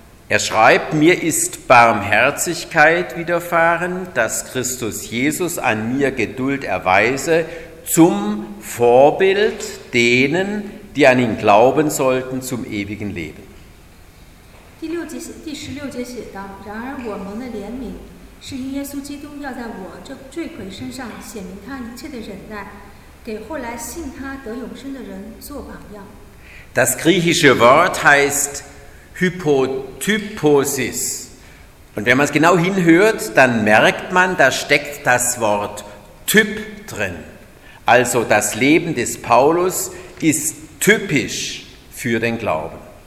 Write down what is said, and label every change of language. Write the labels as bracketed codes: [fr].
[de] Er schreibt, mir ist Barmherzigkeit widerfahren, dass Christus Jesus an mir Geduld erweise, zum Vorbild denen, die an ihn glauben sollten, zum ewigen Leben. [zh] 第16节写道，然而我们的怜悯是因耶稣基督要在我这罪魁身上显明他一切的忍耐，给后来信他得永生的人做榜样。 [de] Das griechische Wort heißt Hypotyposis. Und wenn man es genau hinhört, dann merkt man, da steckt das Wort Typ drin. Also das Leben des Paulus ist typisch für den Glauben.